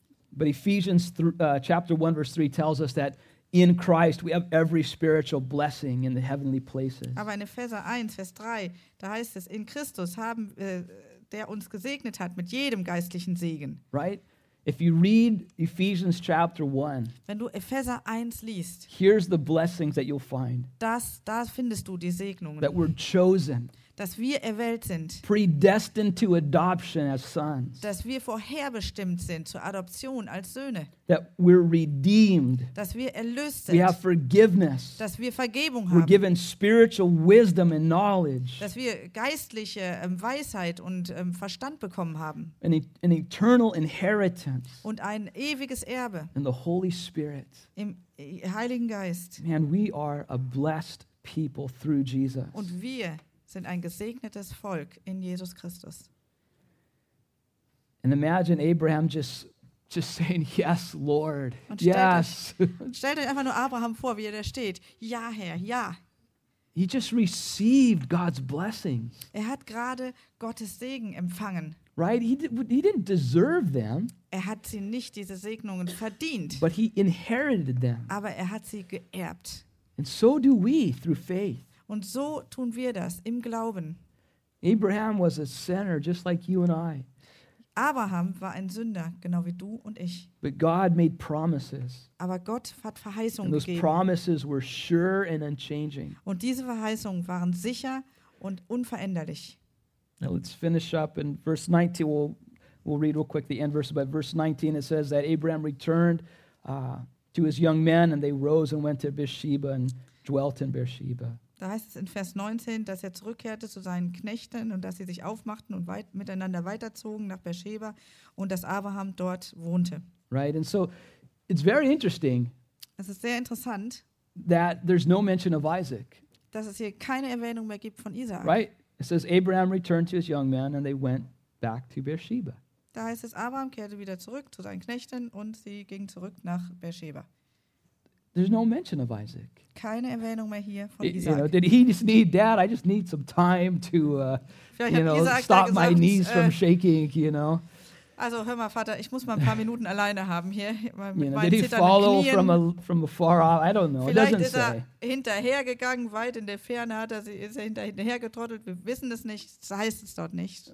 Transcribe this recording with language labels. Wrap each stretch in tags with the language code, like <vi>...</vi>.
<en>But Ephesians chapter 1 verse 3 tells us that in Christ we have every spiritual blessing in the heavenly places.</en> <de>Aber in Epheser 1 Vers 3, da heißt es, in Christus haben der uns gesegnet hat mit jedem geistlichen Segen.</de> <en>Right? If you read Ephesians chapter 1.</en> <de>Wenn du Epheser 1 liest.</de> <en>Here's the blessings that you'll find.</en> <de>Da findest du die Segnungen.</de> <en>That we're chosen.</en> <de>Dass wir erwählt sind.</de> <en>Predestined to adoption as sons.</en> <de>Dass wir vorherbestimmt sind zur Adoption als Söhne.</de> <en>That we're redeemed.</en> <de>Dass wir erlöst sind.</de> <en>We have forgiveness.</en> <de>Dass wir Vergebung</de> <en>we're</en> <de>haben.</de> <en>We're given spiritual wisdom and knowledge.</en> <de>Dass wir geistliche Weisheit und Verstand bekommen haben.</de> <en>An eternal inheritance.</en> <de>Und ein ewiges Erbe.</de> <en>In the Holy Spirit.</en> <de>Im Heiligen Geist.</de> <en>Man, we are a blessed people through Jesus.</en> <de>Und wir sind ein gesegnetes Volk in Jesus Christus.</de> <en>And imagine Abraham just saying yes, Lord. Yes.</en> <de>Stellt euch einfach nur Abraham vor, wie er da steht. Ja, Herr, ja.</de> <en>He just received God's blessing.</en> <de>Er hat gerade Gottes Segen empfangen.</de> <en>Right? He didn't deserve them.</en> <de>Er hat sie nicht, diese Segnungen, verdient.</de> <en>But he inherited them.</en> <de>Aber er hat sie geerbt.</de> <en>And so do we through faith.</en> <de>Und so tun wir das im Glauben.</de> <en>Abraham was a sinner, just like you and I.</en> <de>Abraham war ein Sünder, genau wie du und ich.</de> <en>But God made promises.</en> <de>Aber Gott hat Verheißungen gegeben.</de> <en>promises were sure and unchanging.</en> <de>Und diese Verheißungen waren sicher und unveränderlich.</de> <en>Now let's finish up in verse 19. We'll read real quick the end verse. But verse 19 it says that Abraham returned to his young men, and they rose and went to Beersheba and dwelt in Beersheba.</en> <de>Da heißt es in Vers 19, dass er zurückkehrte zu seinen Knechten und dass sie sich aufmachten und miteinander weiterzogen nach Beersheba und dass Abraham dort wohnte.</de> <en>Right, and so it's very interesting.</en> <de>Es ist sehr interessant,</de> <en>that there's no mention of Isaac.</en> <de>Dass es hier keine Erwähnung mehr gibt von Isaac.</de> <en>Right, it says Abraham returned to his young men and they went back to Beersheba.</en> <de>Da heißt es, Abraham kehrte wieder zurück zu seinen Knechten und sie gingen zurück nach Beersheba.</de> <en>There's no mention of Isaac.</en> <de>Keine Erwähnung mehr hier von Isaac.</de> <en>You know, did he just need dad? I just need some time to, you know, stop my knees from shaking, you know.</en> <de>Also hör mal, Vater, ich muss mal ein paar Minuten alleine haben hier.</de> <en>Did he follow from afar off? I don't know.</en> <de>Vielleicht ist er hinterhergegangen, weit in der Ferne hat er sie, ist er hinterher getrottelt. Wir wissen es nicht, das heißt es dort nicht.</de>